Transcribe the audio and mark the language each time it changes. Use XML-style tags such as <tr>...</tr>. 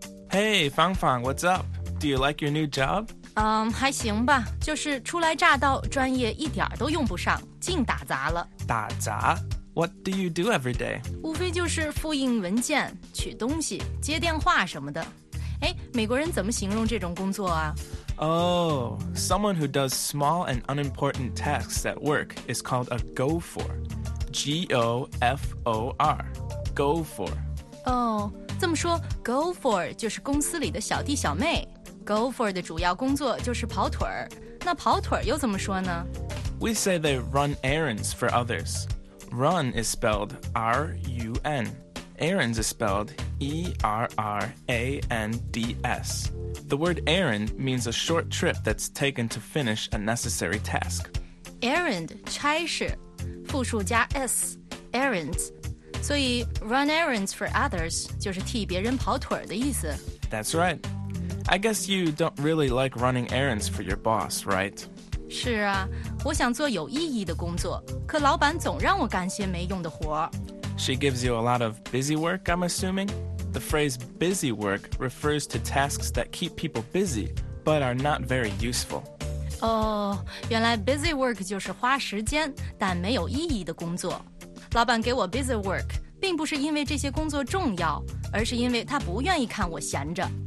<en>Hey, 芳芳 ，What's up? Do you like your new job?</en> <zh>还行吧，就是初来乍到，专业一点都用不上，净打杂了。</zh> <en>打杂？What do you do every day?</en> <zh>无非就是复印文件、取东西、接电话什么的。哎，美国人怎么形容这种工作啊？</zh> <en>Oh, someone who does small and unimportant tasks at work is called a gopher. G-O-F-O-R. Gopher.</en> <zh>Oh, 这么说 gopher 就是公司里的小弟小妹。 Gopher 的主要工作就是跑腿儿。那跑腿儿又怎么说呢</zh> <en>？We say they run errands for others. Run is spelled R-U-N. Errands is spelled E-R-R-A-N-D-S. The word errand means a short trip that's taken to finish a necessary task.</en> <zh>Errand 差事，复数加 s, errands. 所以</zh> <en>run errands for others</en> <zh>就是替别人跑腿儿的意思。</zh> <en>That's right. I guess you don't really like running errands for your boss, right?</en> <zh>是啊，我想做有意义的工作，可老板总让我干些没用的活。</zh> <en>She gives you a lot of busy work, I'm assuming? The phrase busy work refers to tasks that keep people busy, but are not very useful.</en> <zh>哦，原来 busy work 就是花时间，但没有意义的工作。老板给我 busy work, 并不是因为这些工作重要，而是因为他不愿意看我闲着。</zh>